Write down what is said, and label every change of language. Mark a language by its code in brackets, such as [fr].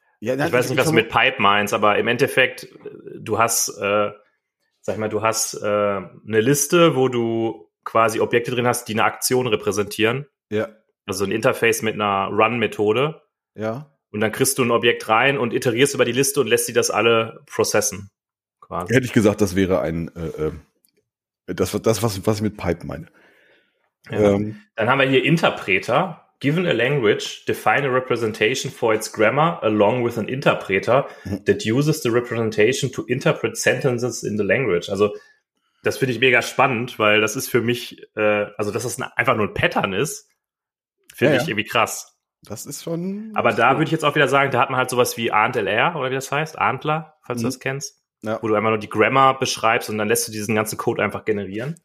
[de] Ja, ich weiß nicht, was du mit Pipe meinst, aber im Endeffekt, du hast eine Liste, wo du quasi Objekte drin hast, die eine Aktion repräsentieren. Ja. Also ein Interface mit einer Run-Methode. Ja. Und dann kriegst du ein Objekt rein und iterierst über die Liste und lässt sie das alle processen. Quasi. Hätte ich gesagt, das wäre ein, was ich mit Pipe meine. Ja. Dann haben wir hier Interpreter. [en] Given a language, define a representation for its grammar along with an interpreter that uses the representation to interpret sentences in the language. [de] Also, das finde ich mega spannend, weil das ist für mich, dass das einfach nur ein Pattern ist, finde ich irgendwie krass. Das ist schon. Aber da würde ich jetzt auch wieder sagen, da hat man halt sowas wie AntLR oder wie das heißt, Antler, falls du das kennst, ja. Wo du einfach nur die Grammar beschreibst und dann lässt du diesen ganzen Code einfach generieren.